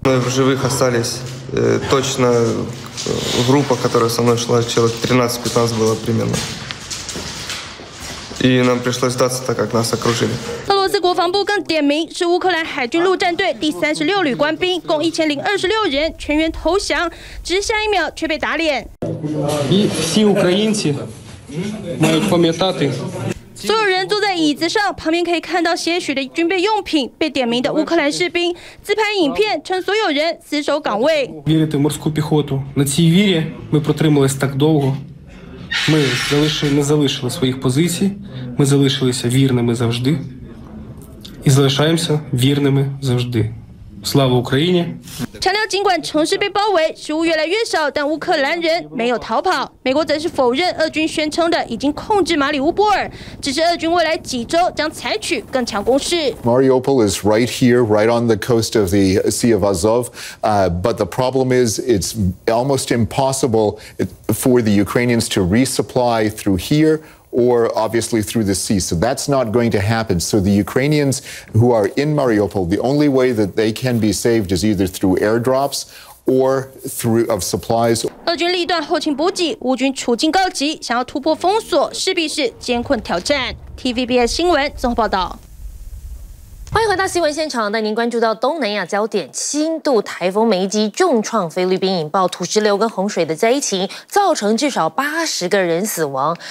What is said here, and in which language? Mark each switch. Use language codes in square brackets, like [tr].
[zh] 俄罗斯国防部更点名是乌克兰海军陆战队第36旅官兵，共1026人全员投降，只是下一秒却被打脸。所有人坐在椅子上，旁边可以看到些许的军备用品。被点名的乌克兰士兵自拍影片，称所有人死守岗位。 [uk] Мы не залишили своих позицій, мы залишилися вірними завжди і залишаємося вірними завжди. Слава Україні! [zh] 强调尽管城市被包围，食物越来越少，但乌克兰人没有逃跑。美国则是否认俄军宣称的已经控制马里乌波尔，只是俄军未来几周将采取更强攻势。 [en] Mariupol is right here, right on the coast of the Sea of Azov. But the problem is, it's almost impossible for the Ukrainians to resupply through here. Or obviously through the sea. So that's not going to happen. So the Ukrainians who are in Mariupol, the only way that they can be saved is either through airdrops or through of supplies. [zh] 俄军力断后勤补给，乌军处境告急，想要突破封锁，势必是艰困挑战。 TVBS 新闻综合报道。欢迎回到新闻现场，带您关注到东南亚焦点。轻度台风梅基重创菲律宾，引爆土石流跟洪水的灾情，造成至少80个人死亡。